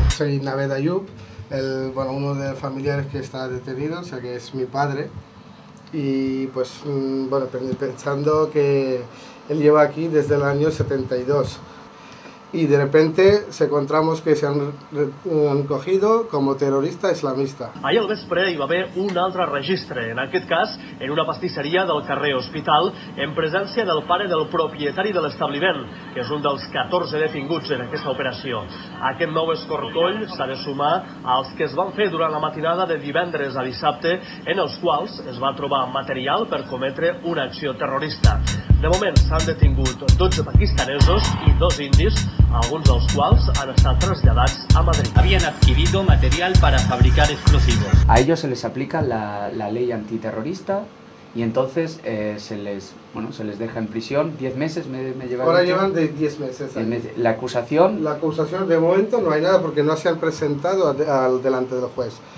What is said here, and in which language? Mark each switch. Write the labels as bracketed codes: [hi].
[es] Soy Naved Ayub, uno de los familiares que está detenido, o sea que es mi padre, y pues bueno, pensando que él lleva aquí desde el año 72, y de repente se encontramos que se han cogido como terrorista islamista. [ca] Ayer vespre hi va haver un altre registre, en aquest cas en una pastisseria del carrer Hospital, en presència del pare del propietari de l'establiment, que és un dels 14 detinguts en aquesta operació. Aquest nou escorcoll s'ha de sumar als que es van fer durant la matinada de divendres a dissabte, en els quals es va trobar material per cometre una acció terrorista. De moment s'han detingut 12 pakistanesos i 2 indis, alguns dels quals han estat traslladats a Madrid. Havien adquirit material per a fabricar explosius. [es] A ellos se les aplica la ley antiterrorista y entonces se les deja en prisión 10 meses, me llevan. Ahora llevan de 10 meses. La acusación de momento no hay nada porque no se han presentado delante del juez.